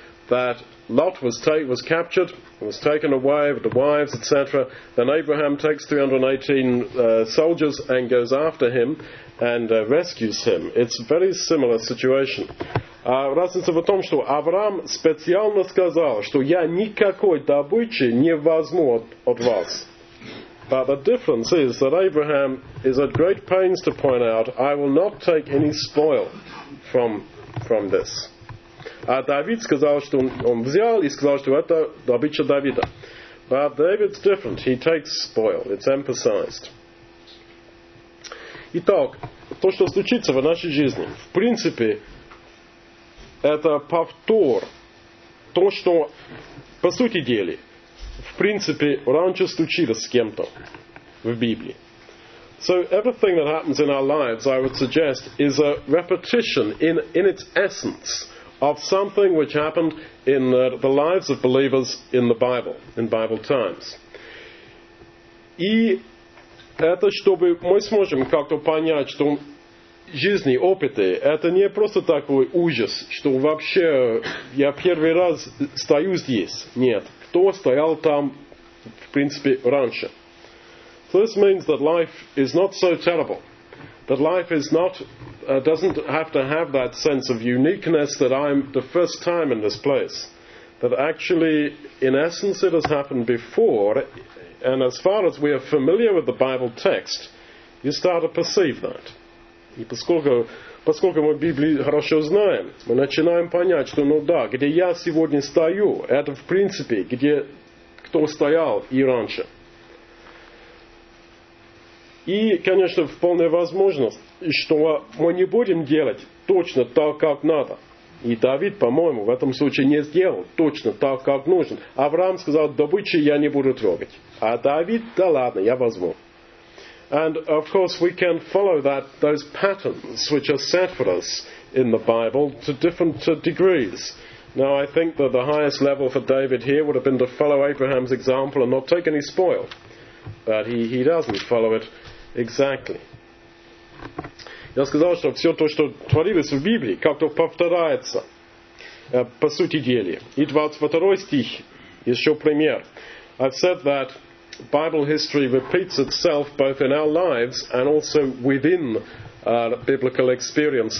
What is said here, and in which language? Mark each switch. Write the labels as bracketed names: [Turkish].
[English] That Lot was captured, was taken away with the wives, etc. Then Abraham takes 318 soldiers and goes after him and rescues him. It's a very similar situation. [Russian] Разница в том, что Авраам специально сказал, что я никакой добычи не возьму от вас. [English] But the difference is that Abraham is at great pains to point out, I will not take any spoil from this. [Russian] David сказал, что он взял и сказал, что это добыча Давида. [English] But David's different. He takes spoil. It's emphasized. [Russian] Итак, то, что случится в нашей жизни, в принципе, это повтор. То, что, по сути дела, в принципе, раньше случилось с кем-то в Библии. [English] So everything that happens in our lives, I would suggest, is a repetition in its essence of something which happened in the lives of believers in the Bible, in Bible times. [Russian] И это чтобы мы сможем как-то понять, что жизни, опыты, это не просто такой ужас, что вообще я первый раз стою здесь. Нет. Кто стоял там, в принципе, раньше? [English] So this means that life is not so terrible. That life is not doesn't have to have that sense of uniqueness that I'm the first time in this place. That actually, in essence, it has happened before, and as far as we are familiar with the Bible text, you start to perceive that. [Russian] И поскольку мы Библию хорошо знаем, мы начинаем понять, что, ну да, где я сегодня стою, это в принципе, где кто стоял и раньше. И, конечно, вполне возможно, что мы не будем делать точно так, как надо. И Давид, по-моему, в этом случае не сделал точно так, как нужно. Авраам сказал, добычу я не буду трогать. А Давид, да ладно, я возьму. [English] And, of course, we can follow those patterns which are set for us in the Bible to different degrees. Now, I think that the highest level for David here would have been to follow Abraham's example and not take any spoil. But he doesn't follow it exactly. [Russian] Я сказал, что все то, что творилось в Библии, как-то повторяется, по сути дела. И 22 стих, еще пример. [English] I've said that Bible history repeats itself both in our lives and also within biblical experience.